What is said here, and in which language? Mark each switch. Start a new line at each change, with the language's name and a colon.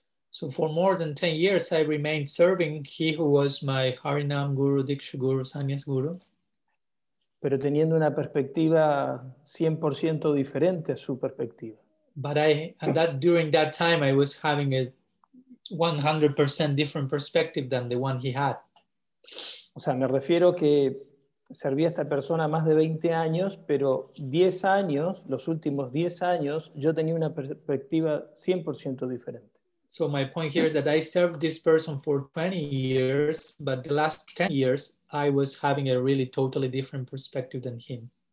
English: So for more than 10 years I remained serving he who was my Harinam Guru, Diksha Guru, Sanyas Guru.
Spanish: Pero teniendo una perspectiva 100% diferente a su perspectiva.
English: But during that time I was having a 100% different perspective than the one he had.
Spanish: O sea, me refiero que serví a esta persona más de 20 años, pero 10 años, los últimos 10 años, yo tenía una perspectiva 100% diferente.
English: So my point here is that I served this person for 20 years, but the last 10 years I was having a really totally different perspective than him.